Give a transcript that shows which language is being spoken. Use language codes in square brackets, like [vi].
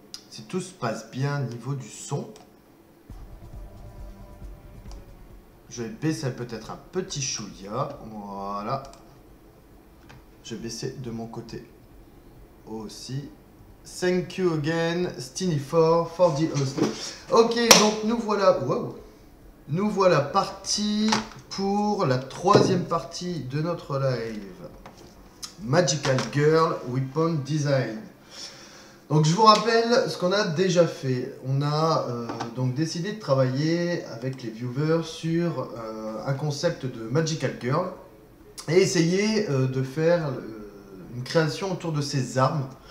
[fr] Si tout se passe bien au niveau du son. Je vais baisser peut-être un petit chouïa. Voilà. Je vais baisser de mon côté aussi. [en] Thank you again, Stinifor, for the host. [fr] Ok, donc nous voilà. Wow. Nous voilà partis pour la troisième partie de notre live Magical Girl Weapon Design. Donc je vous rappelle ce qu'on a déjà fait. On a donc décidé de travailler avec les viewers sur un concept de Magical Girl et essayer de faire une création autour de ses armes.